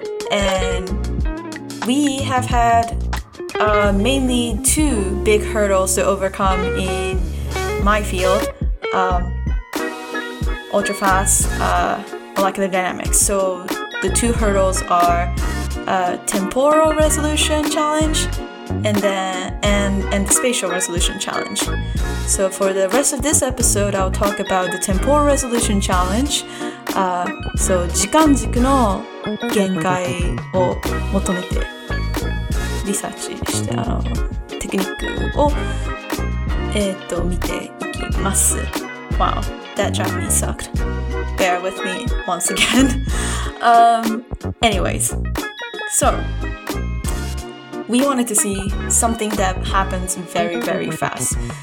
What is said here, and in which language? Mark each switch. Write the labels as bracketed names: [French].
[English] And we have had mainly two big hurdles to overcome in my field, ultrafast molecular dynamics. So the two hurdles are temporal resolution challenge and then and the spatial resolution challenge. So for the rest of this episode, I'll talk about the temporal resolution challenge. [Japanese] So 時間軸の限界を求めてリサーチしてテクニックを見ていきます。 [English] Wow, that Japanese sucked. Bear with me once again. Anyways, so we wanted to see something that happens very, very fast.